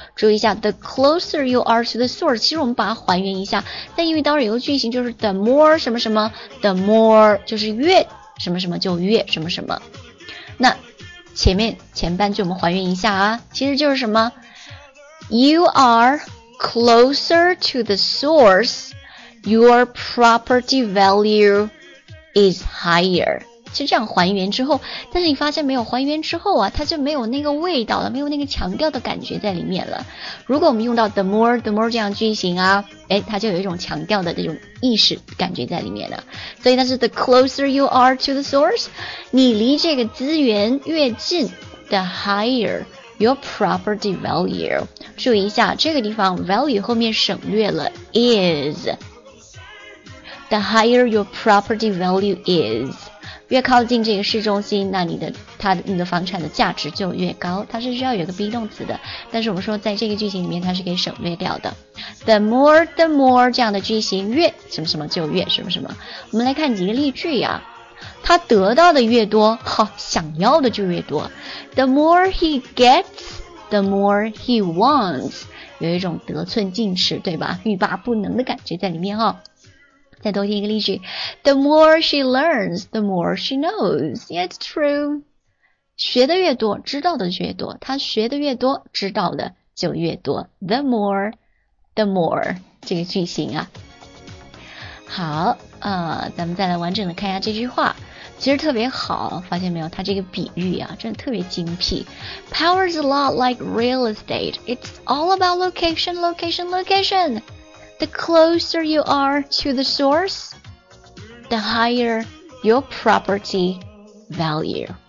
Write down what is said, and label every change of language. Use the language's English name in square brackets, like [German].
[Chinese] 注意一下 [English] the closer you are to the source. [Chinese] 其实我们把它还原一下，但因为当然有个句型，就是 [English] the more [Chinese] 什么什么 the more 就是越什么什么就越什么什么。那前面前半句我们还原一下啊，其实就是什么 [English] You are closer to the source, your property value is higher。 [Chinese] 其实这样还原之后，但是你发现没有，还原之后啊，它就没有那个味道了，没有那个强调的感觉在里面了。如果我们用到 the more 这样句型啊，诶，它就有一种强调的这种意识感觉在里面了。所以它是 [English] the closer you are to the source, [Chinese] 你离这个资源越近， [English] the higher your property value。 [Chinese] 注意一下这个地方 value 后面省略了 is, [English] the higher your property value is。 [Chinese] 越靠近这个市中心，那你的房产的价值就越高，它是需要有个 be 动词的，但是我们说在这个句型里面它是可以省略掉的。 [English] the more [Chinese] 这样的句型，越什么什么就越什么什么。我们来看几个例句啊，他得到的越多，好，想要的就越多。 [English] the more he gets, the more he wants, [Chinese] 有一种得寸进尺，对吧，欲罢不能的感觉在里面哦。再多听一个例句， [English] The more she learns, the more she knows. Yeah, it's true. [Chinese] 学的越多，知道的越多，她学的越多，知道的就越多。 [English] The more, [Chinese] 这个句型啊。好，咱们再来完整的看一下这句话。其实特别好，发现没有，它这个比喻啊，真的特别精辟。 [English] Power's a lot like real estate. It's all about location, location, location. The closer you are to the source, the higher your property value.